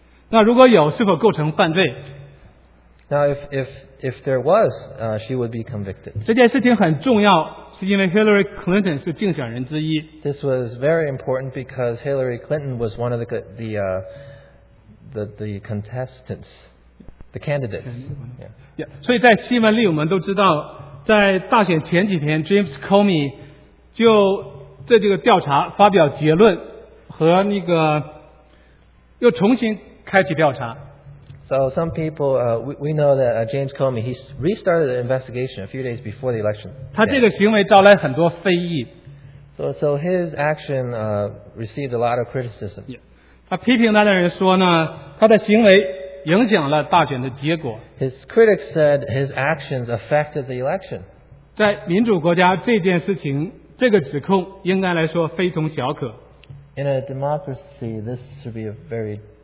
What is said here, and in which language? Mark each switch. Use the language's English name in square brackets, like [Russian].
[Chinese] 那如果有，是否构成犯罪？ [English] Now if there was, she would be convicted. [Chinese] 这件事情很重要，是因为 Hillary Clinton 是竞选人之一。 [English] This was very important because Hillary Clinton was one of the contestants. The candidates. Yeah. [Chinese] 所以在新闻里我们都知道，在大选前几天 ，James Comey 就这个调查发表结论和那个又重新开启调查。 [English] So some people, we know that James Comey he restarted the investigation a few days before the election. [Chinese] 他这个行为招来很多非议。 [English] So his action received a lot of criticism. Yeah. [Chinese] 他批评他的人说呢，他的行为。影响了大选的结果。 [English] His critics said his actions affected the election. [Chinese] 在民主国家，这件事情，这个指控应该来说非同小可。 [English] In a democracy, this should be a very